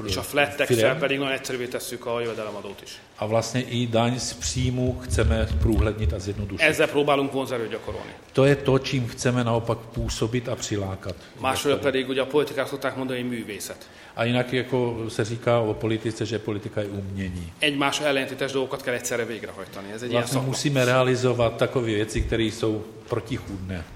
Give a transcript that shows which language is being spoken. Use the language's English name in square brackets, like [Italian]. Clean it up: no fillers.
[Hungarian] És a flat tax-el pedig nagyon egyszerűvé tesszük a jövedelemadót is. [Czech] A vlastně i daň z příjmu chceme průhlednit a zjednodušit. [Hungarian] Ezzel próbálunk vonzerőt gyakorolni. [Czech] To je to, čím chceme naopak působit a přilákat. [Hungarian] Másfél pedig ugye a politikák szokták mondani, hogy művészet. [Czech] A jinak jako se říká o politice, že politika je umění. [Hungarian] Egymás ellentétes dolgokat kell egyszerre végrehajtani. Ez egy [Czech] vlastně [Hungarian] ilyen [Czech] musíme realizovat takové věci, které jsou protichůdné.